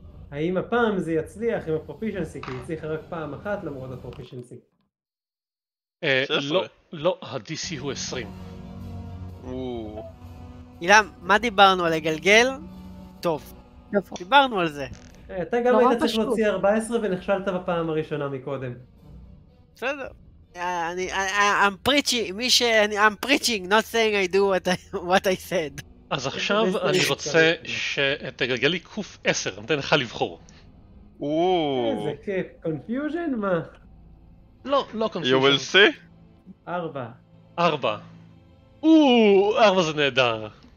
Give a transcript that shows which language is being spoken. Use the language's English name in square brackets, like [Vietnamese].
[Hebrew] האם הפעם זה יצליח עם הפרופישנסי, כי יצליח רק פעם אחת למרות הפרופישנסי? לא, ה-DC הוא 20. אילם, מה דיברנו על הגלגל? טוב, דיברנו על זה. אתה גם היית צריך להוציא 14 ונכשלת בפעם הראשונה מקודם. בסדר. [English] I'm preaching, not saying I do what I said. [Hebrew] אז עכשיו אני רוצה שתגלגל לי קוף 10, נותן לך לבחור. אוו. איזה כיף, קונפיוז'ן? מה? לא, לא קונפיוז'ן. [English] You will see? [Hebrew] 4. 4. אוו, 4 זה נהדר.